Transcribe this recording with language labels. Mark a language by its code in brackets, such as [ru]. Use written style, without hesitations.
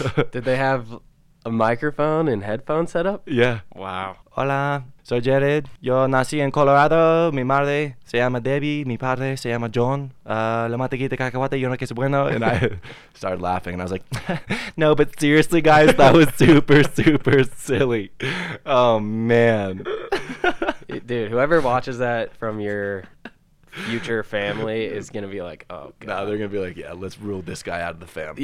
[en] Did they have a microphone and headphone setup? Yeah. Wow. [es] Hola. So Jared, yo nací en Colorado, mi madre se llama Debbie, mi padre se llama John, la mantequita de cacahuate, yo no que es bueno. [en] And I started laughing, and I was like, no, but seriously, guys, that was super, super silly. Oh, man. Dude, whoever watches that from your future family is going to be like, oh, God. No, they're going to be like, yeah, let's rule this guy out of the family.